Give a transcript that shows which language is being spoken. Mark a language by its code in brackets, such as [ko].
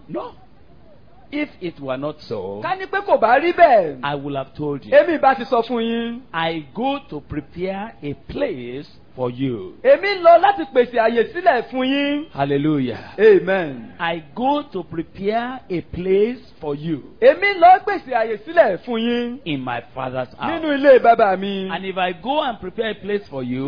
[en] No. If it were not so. [yo] Ká ní pé kò bá rí bẹ́ẹ̀. [en] I would have told you. [yo] Èmi ìbá ti sọ fún yín. [en] I go to prepare a place for you. [yo] Èmi lọ láti pèsè àyè sílẹ̀ fún yín. Hallelujah. Amen. [en] I go to prepare a place for you. [yo] Èmi lọ pèsè àyè sílẹ̀ fún yín. [en] In my father's house. [yo] Nínú ilé bàbá mi. [en] And if I go and prepare a place for you.